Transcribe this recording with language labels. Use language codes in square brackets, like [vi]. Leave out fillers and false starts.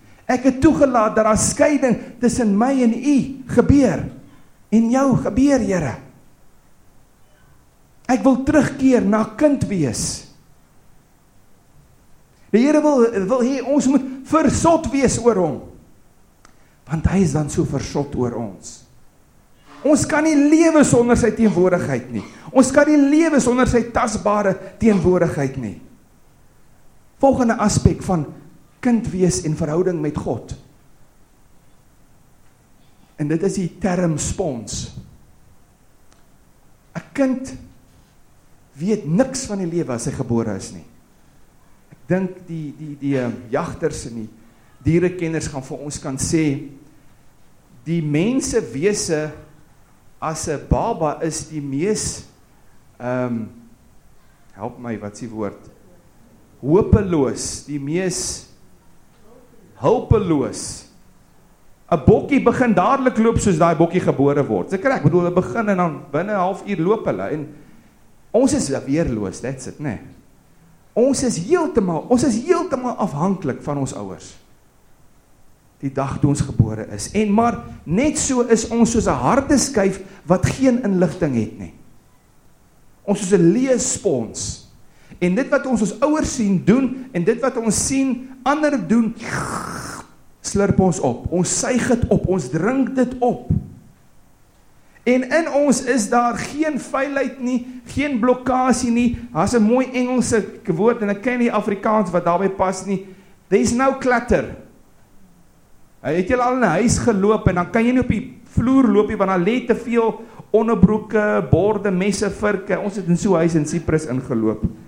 [af] Ek het toegelaat dat daar skeiding tussen my en u gebeur. En jou gebeur, Here. Ek wil terugkeer na kind wees. Die Here wil hê ons moet versot wees oor hom. Want hy is dan so versot oor ons. Ons kan nie lewe sonder sy teenwoordigheid nie. Ons kan nie lewe sonder sy tasbare teenwoordigheid nie. Volgende aspek van kind wees en verhouding met God. En dit is die term spons. 'N Kind weet niks van die lewe as hy gebore is nie. Ek dink die jagters en die dierekenners gaan vir ons kan sê, die mense wese as 'n baba is die mees, help my, wat is die woord? Hopeloos, die mees hulpeloos. 'N Bokkie begin dadelik loop soos daai bokkie gebore word. Dis korrek. Ek bedoel, hulle begin en dan binne 'n halfuur loop hulle en ons is weerloos, [en] that's it, [af] né? Nee. Ons is heeltemal afhanklik van ons ouers. Die dag toe ons gebore is. En maar net so is ons soos 'n harde skyf wat geen inligting het nie. Ons is 'n leë spons. En dit wat ons ouers sien doen en dit wat ons sien ander doen, slurp ons op. Ons suig dit op, ons drink dit op. En in ons is daar geen veiligheid nie, geen blokkade nie. Daar's 'n mooi Engelse woord en ek ken nie Afrikaans wat daarbey pas nie. [en] There's no clutter. [af] Het jy al in 'n huis geloop en dan kan jy nie op die vloer loop nie want daar lê te veel onderbroeke, borde, messe, vurke. Ons het in so 'n huis in Cyprus ingeloop.